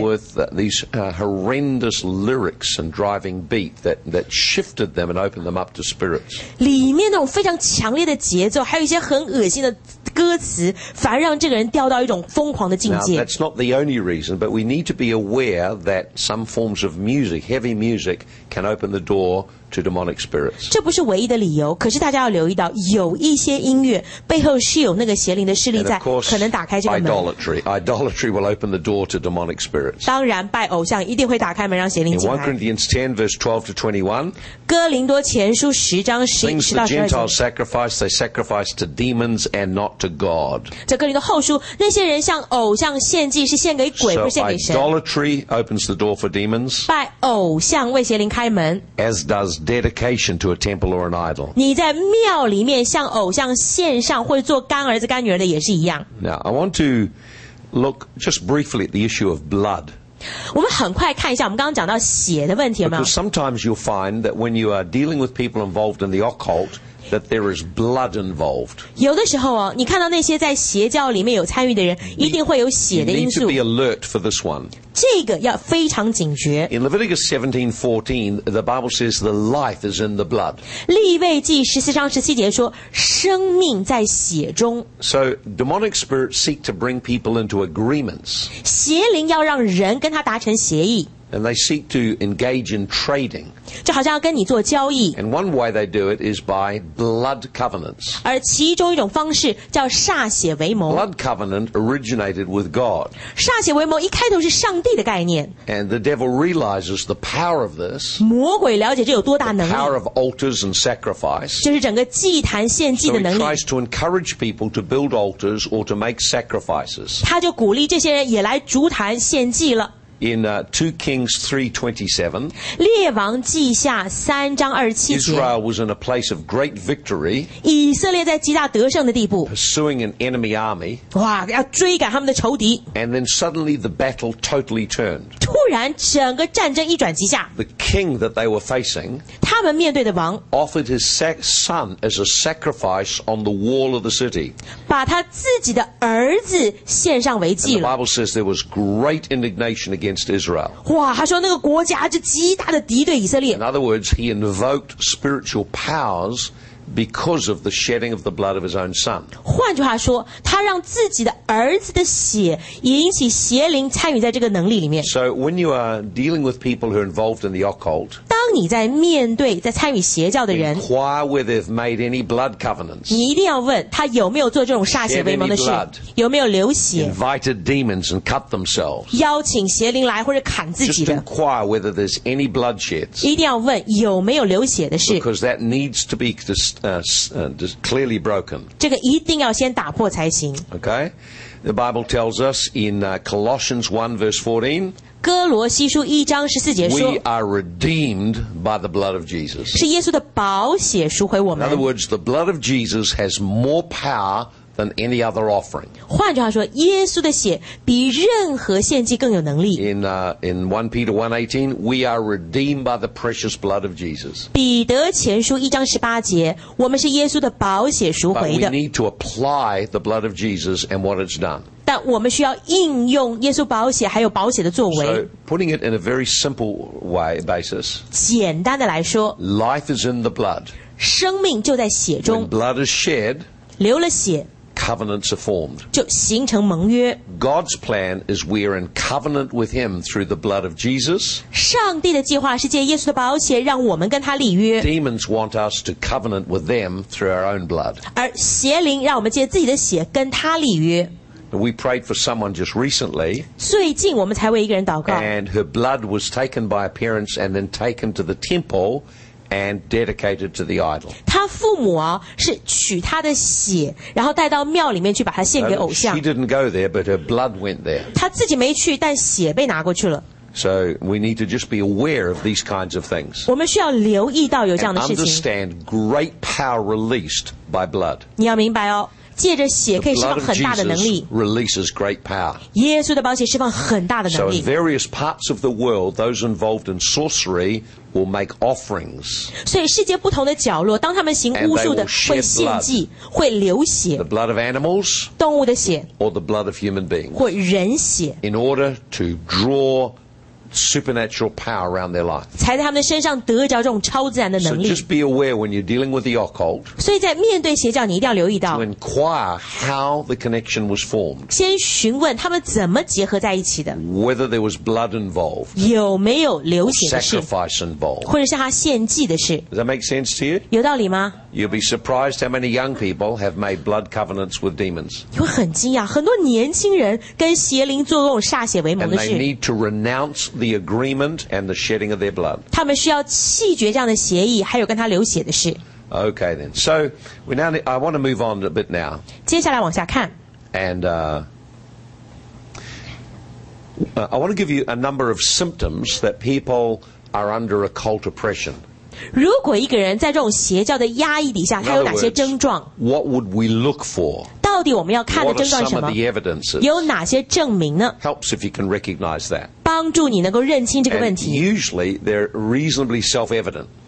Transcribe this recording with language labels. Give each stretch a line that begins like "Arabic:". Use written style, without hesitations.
English: With these horrendous lyrics and driving beat that shifted them and opened them up to spirits.
Chinese: 里面那种非常强烈的节奏，还有一些很恶心的歌词，反而让这个人掉到一种疯狂的境界。
English: Now that's not the only reason, but we need to be aware that some forms of music, heavy music, can open the door. To demonic spirits.
Chinese: 这不是唯一的理由，可是大家要留意到，有一些音乐背后是有那个邪灵的势力在，可能打开这个门。
English: Idolatry will open the door to demonic spirits.
Chinese: 当然，拜偶像一定会打开门让邪灵进来。
English: In 1 Corinthians 10 verse 12 to 21,
Chinese: 哥林多前书十章十到十二节。
English: Things the Gentiles sacrifice, they sacrifice to demons and not to God.
Chinese: 在哥林多后书，那些人向偶像献祭是献给鬼，不是献给神。
English: So idolatry opens the door for demons.
Chinese: 拜偶像为邪灵开门。
English: As does dedication to a temple or an idol.
Chinese: 你在庙里面向偶像献上或者做干儿子干女儿的也是一样。
English: Now, I want to look just briefly at the issue of blood.
Chinese: 我们很快看一下我们刚刚讲到血的问题有没有？
English: Because sometimes you'll find that when you are dealing with people involved in the occult, that there is blood involved.
Chinese: 有的时候哦，你看到那些在邪教里面有参与的人，一定会有血的因素。
English: You need to be alert for this one.
Chinese: 这个要非常警觉。
English: In Leviticus 17:14, the Bible says the life is in the blood.
Chinese: 利未记十四章十七节说，生命在血中。
English: So demonic spirits seek to bring people into agreements.
Chinese: 邪灵要让人跟他达成协议。
English: And they seek to engage in trading.
Chinese: 就好像要跟你做交易。
English: And one way they do it is by blood covenants.
Chinese: 而其中一种方式叫歃血为盟。
English: Blood covenant originated with God.
Chinese: 歃血为盟一开头是上帝的概念。
English: And the devil realizes the power of this.
Chinese: 魔鬼了解这有多大能力。
English: The power of altars and sacrifice.
Chinese: 就是整个祭坛献祭的能力。
English: So he tries to encourage people to build altars or to make sacrifices.
Chinese: 他就鼓励这些人也来筑坛献祭了。
English: In 2 Kings 3:27,
Chinese: 列王记下三章二十七节
English: Israel was in a place of great victory,
Chinese: 以色列在极大得胜的地步
English: pursuing an enemy army,
Chinese: 哇要追赶他们的仇敌
English: and then suddenly the battle totally turned.
Chinese: 突然整个战争一转即下
English: the king that they were facing,
Chinese: 他们面对的王
English: offered his son as a sacrifice on the wall of the city,
Chinese: 把他自己的儿子献上为祭了
English: and the Bible says there was great indignation against Israel.
Chinese: 哇他说那个国家就极大的敌对以色列。
English: In other words, he invoked spiritual powers because of the shedding of the blood of his own son.
Chinese: 换句话说他让自己的儿子的血引起邪灵参与在这个能力里面。
English: So when you are dealing with people who are involved in the occult,
Chinese: 当你在面对在参与邪教的人
English: inquire whether they've made any blood covenants.
Chinese: 你一定要问他有没有做这种歃血为盟的事有没有流血
English: invited demons and cut themselves.
Chinese: 邀请邪灵来或者砍自己的。
English: Just inquire whether there's any bloodshed.
Chinese: 一定要问有没有流血的事
English: because that needs to be destroyed. Clearly broken.
Chinese: 这个一定要先打破才行。
English: Okay, the Bible tells us in Colossians 1 verse 14.
Chinese: 哥罗西书一章十四节说
English: We are redeemed by the blood of Jesus.
Chinese: 是耶稣的宝血赎回我们。
English: In other words, the blood of Jesus has more power than any other offering.
Chinese: 换句话说，耶稣的血比任何献祭更有能力。
English: In 1 Peter 1:18, we are redeemed by the precious blood of Jesus.
Chinese: 彼得前书一章十八节，我们是耶稣的宝血赎回的。
English: But we need to apply the blood of Jesus and what it's done.
Chinese: 但我们需要应用耶稣宝血还有宝血的作为。
English: So putting it in a very simple way basis.
Chinese: 简单的来说
English: ，life is in the blood.
Chinese: 生命就在血中。
English: When blood is shed.
Chinese: 流了血。
English: Covenants are formed.
Chinese: 就形成盟约。
English: God's plan is we are in covenant with Him through the blood of Jesus.
Chinese: 上帝的计划是借耶稣的宝血让我们跟他立约。
English: Demons want us to covenant with them through our own blood.
Chinese: 而邪灵让我们借自己的血跟他立约。
English: We prayed for someone just recently.
Chinese: 最近我们才为一个人祷告。
English: And her blood was taken by her parents and then taken to the temple. And dedicated to the idol.
Chinese: 他父母啊是取他的血，然后带到庙里面去把他献给偶像。
English: She didn't go there, but her blood went there.
Chinese: 他自己没去，但血被拿过去了。
English: So we need to just be aware of these kinds of things.
Chinese: 我们需要留意到有这样的事情。
English: And understand great power released by blood.
Chinese: 你要明白哦，借着血可以释放很大的能力。
English: The blood of Jesus releases great power.
Chinese: 耶稣的宝血释放很大的能力。
English: So in various parts of the world, those involved in sorcery. Will make offerings.
Chinese: 所以世界不同的角落，当他们行巫术的，会献祭，会流血。
English: The blood of animals,
Chinese: 动物的血
English: ，or the blood of human beings,
Chinese: 或人血。
English: In order to draw supernatural power around their life,
Chinese: 才在他们身上得着这种超自然的能力。
English: So just be aware when you're dealing with the occult.
Chinese: 所以在面对邪教，你一定要留意到。
English: To inquire how the connection was formed.
Chinese: 先询问他们怎么结合在一起的。
English: Whether there was blood involved.
Chinese: 有没有流血的事。
English: Sacrifice involved.
Chinese: 或者是他献祭的事。
English: Does that make sense to you?
Chinese: 有道理吗？
English: You'll be surprised how many young people have made blood covenants with demons.
Chinese: 你会很惊讶，很多年轻人跟邪灵做这种歃血为盟的事。
English: And they need to renounce. The agreement and the shedding of their blood.
Chinese: 他们需要弃绝这样的协议，还有跟他流血的事。
English: Okay then. So we now. I want to move on a bit now.
Chinese: 接下来往下看。
English: And I want to give you a number of symptoms that people are under occult oppression.
Chinese: 如果一个人在这种邪教的压抑底下，他有哪些症状
English: ？What would we look for?
Chinese: 到底我们要看的症状是什么？有哪些证明呢
English: ？Helps if you can recognize that.
Chinese: 帮助你能够认清这个问题。
English: And usually they're reasonably self-evident.